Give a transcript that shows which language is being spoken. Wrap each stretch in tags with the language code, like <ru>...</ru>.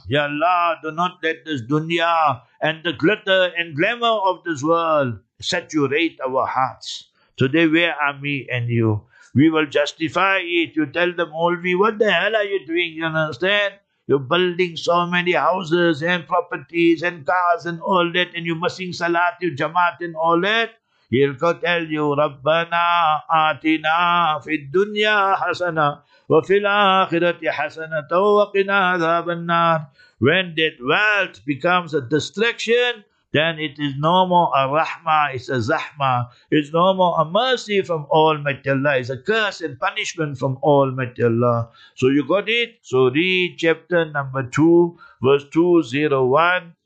<en>Ya Allah, do not let this dunya and the glitter and glamour of this world saturate our hearts. Today, where are me and you? We will justify it. You tell the Maulvi, what the hell are you doing? You understand? You're building so many houses and properties and cars and all that, and you're missing Salat, you Jamaat and all that. He'll tell you,</en> <ar>رَبَّنَا آتِنَا فِي الدُّنْيَا حَسَنَا وَفِي الْآخِرَةِ حَسَنَةً وَقِنَا عَذَابَ النَّارِ.</ar> <en>When that wealth becomes a distraction, then it is no more a rahmah, it's a zahma. It's no more a mercy from Almighty Allah. It's a curse and punishment from Almighty Allah. So you got it? So read chapter number 2, verse 201.</en>